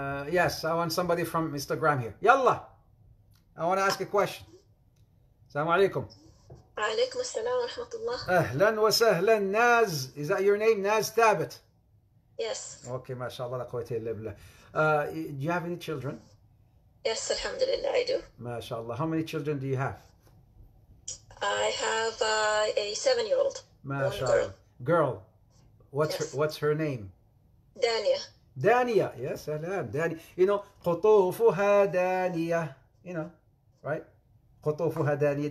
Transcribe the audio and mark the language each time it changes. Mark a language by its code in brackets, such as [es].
[en] Yes, I want somebody from Instagram here. Yalla, I want to ask a question. Assalamu alaikum. [ar] عليكم السلام ورحمة الله. اهلا وسهلا [en] ناز. Is that your name? ناز ثابت. Yes. [ar] اوكي ما شاء الله لا قوة الا بالله. [en] Do you have any children? Yes, [ar] الحمد لله, [en] I do. [ar] ما شاء الله. [en] How many children do you have? I have a 7-year-old, [ar] ما [en] one [ar] شاء [en] girl. [ar] الله. Girl. [en] Yes. What's her name? [ar] دانيا. دانيا. يا سلام دانيا. قطوفها دانيا. Right? قطوفها دانية.